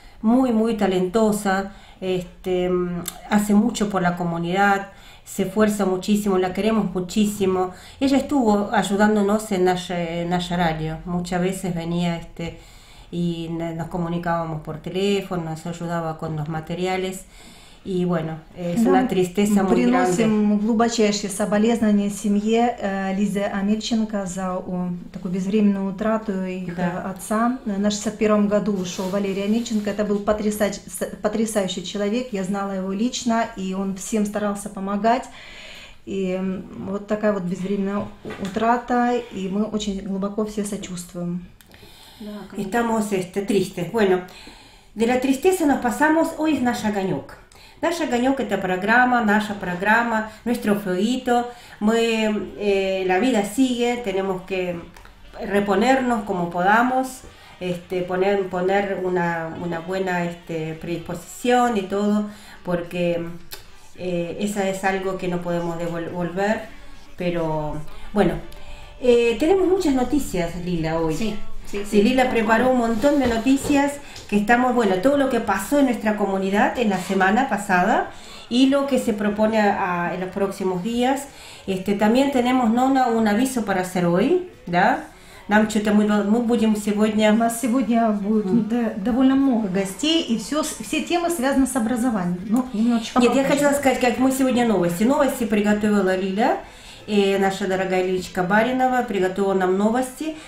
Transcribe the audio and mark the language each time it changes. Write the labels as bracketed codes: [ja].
[es] muy muy talentosa, hace mucho por la comunidad, se esfuerza muchísimo, la queremos muchísimo. Ella estuvo ayudándonos en Naya Radio, muchas veces venía y nos comunicábamos por teléfono, nos ayudaba con los materiales. И, bueno, это на тристеса [ru] мы приносим глубочайшие соболезнования семье Лизы Амельченко за такую безвременную утрату их отца. На 61-м году ушел Валерий Амельченко. Это был потрясающий человек. Я знала его лично, и он всем старался помогать. И вот такая вот безвременная утрата, и мы очень глубоко все сочувствуем. Да, [es] estamos tristes. Bueno, de la tristeza nos pasamos hoy es [ru] наш огонёк. Наш огонек – это программа, наша программа, [es] nuestro fueguito. Мы, la vida sigue, tenemos que reponernos como podamos, poner una buena predisposición y todo, porque esa es algo que no podemos devolver. Pero, bueno, tenemos muchas noticias, Lila, hoy. Sí. Sí, Lila preparó un montón de noticias que estamos, bueno, todo lo que pasó en nuestra comunidad en la semana pasada y lo que se propone en los próximos días. También tenemos, Nona, un aviso para hacer hoy, ¿da? [ru] Нам что-то мы будем сегодня... У нас сегодня будет довольно много гостей, и все темы связаны с образованием. Нет, я хотела сказать, как мы сегодня новости. Новости приготовила Лиля. И наша дорогая Лилечка Баринова приготовила нам новости.